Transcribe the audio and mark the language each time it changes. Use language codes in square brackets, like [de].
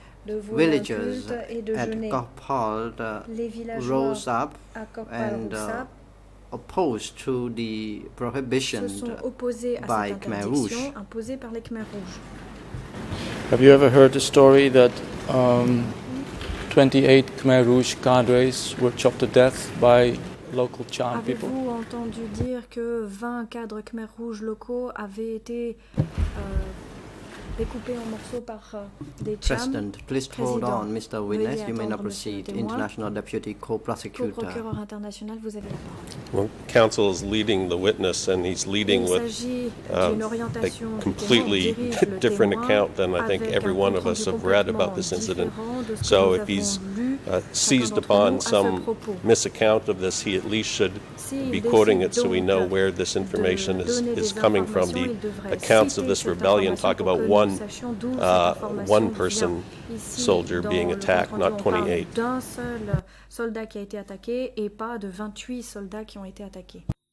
[en] Villagers at Koh Phol rose up and opposed to the prohibition by Khmer Rouge. Have you ever heard the story that 28 Khmer Rouge cadres were chopped to death by local CHAM people? [fr] Avez-vous entendu dire que 20 cadres Khmer Rouge locaux avaient été découpés en morceaux par des CHAM? [en] President, please hold on, Mr. Witness. You may not proceed. International Deputy Co-Prosecutor. [fr] Procureur international, vous avez la parole. [en] Well, counsel is leading the witness, and he's leading with a completely different account than I think every one of us have read about this incident. So if he's seized upon some misaccount of this, he at least should be quoting it so we know where this information is coming from. The accounts of this rebellion talk about one person soldier being attacked, not 28. [fr] D'un seul soldat qui a été attaqué et pas de 28 soldats qui ont été attaqués.